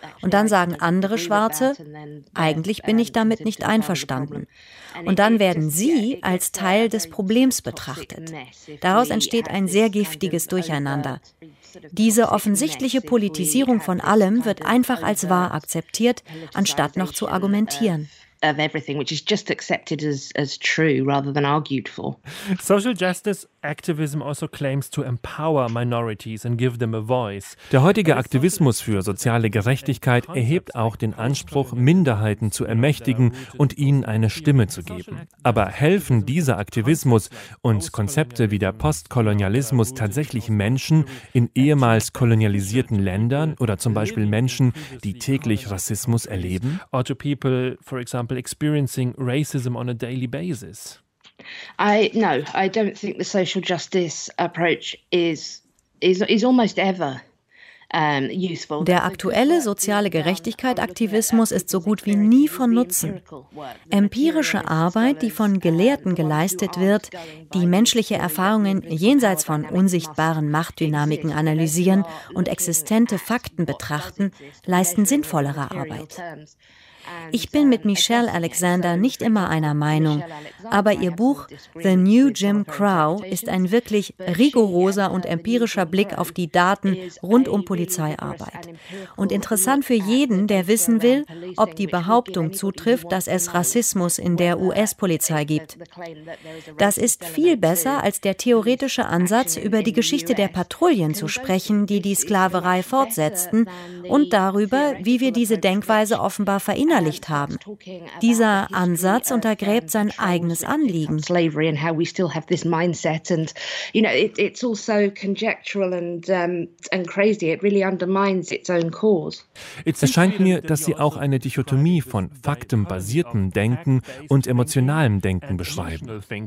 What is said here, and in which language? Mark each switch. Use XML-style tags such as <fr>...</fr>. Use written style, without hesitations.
<de>Und dann sagen andere Schwarze, eigentlich bin ich damit nicht einverstanden. Und dann werden sie als Teil des Problems betrachtet. Daraus entsteht ein sehr giftiges Durcheinander. Diese offensichtliche Politisierung von allem wird einfach als wahr akzeptiert, anstatt noch zu argumentieren.</de> <en>Of everything, which is just accepted as true rather than argued for. Social justice activism also claims to empower minorities and give them a voice.</en> <de>Der heutige Aktivismus für soziale Gerechtigkeit erhebt auch den Anspruch, Minderheiten zu ermächtigen und ihnen eine Stimme zu geben. Aber helfen dieser Aktivismus und Konzepte wie der Postkolonialismus tatsächlich Menschen in ehemals kolonialisierten Ländern oder zum Beispiel Menschen, die täglich Rassismus erleben?</de> <en>Or to people, for example, experiencing racism on a daily basis? I don't think the social justice approach is almost ever useful.</en> <de>Der aktuelle soziale Gerechtigkeitsaktivismus ist so gut wie nie von Nutzen. Empirische Arbeit, die von Gelehrten geleistet wird, die menschliche Erfahrungen jenseits von unsichtbaren Machtdynamiken analysieren und existente Fakten betrachten, leisten sinnvollere Arbeit. Ich bin mit Michelle Alexander nicht immer einer Meinung, aber ihr Buch The New Jim Crow ist ein wirklich rigoroser und empirischer Blick auf die Daten rund um Polizeiarbeit. Und interessant für jeden, der wissen will, ob die Behauptung zutrifft, dass es Rassismus in der US-Polizei gibt. Das ist viel besser als der theoretische Ansatz, über die Geschichte der Patrouillen zu sprechen, die die Sklaverei fortsetzten, und darüber, wie wir diese Denkweise offenbar verinnerlichen. Haben. Dieser Ansatz untergräbt sein eigenes Anliegen.</de> <en>Slavery and how we still have this mindset and you know it's also conjectural and crazy. It really undermines its own cause.</en> <de>Es scheint mir, dass Sie auch eine Dichotomie von faktenbasiertem Denken und emotionalem Denken beschreiben.</de>